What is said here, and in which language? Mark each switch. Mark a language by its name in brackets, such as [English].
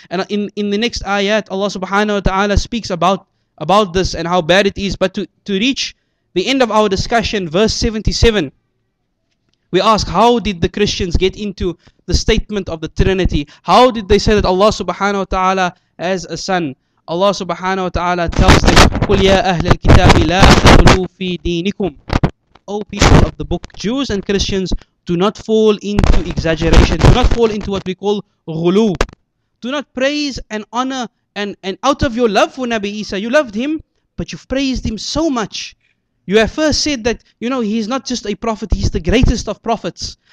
[English] And in the next ayat, Allah subhanahu wa ta'ala speaks about this and how bad it is. But to reach the end of our discussion, verse 77, we ask, how did the Christians get into the statement of the Trinity? How did they say that Allah subhanahu wa ta'ala has a son? Allah subhanahu wa ta'ala tells them, [Arabic] قُلْ يَا أَهْلَ الْكِتَابِ لَا تَغْلُوا فِي دِينِكُمْ. [English] O people of the book, Jews and Christians, do not fall into exaggeration. Do not fall into what we call ghulu. Do not praise and honor and out of your love for Nabi Isa. You loved him, but you've praised him so much. You have first said that, you know, he's not just a prophet, he's the greatest of prophets.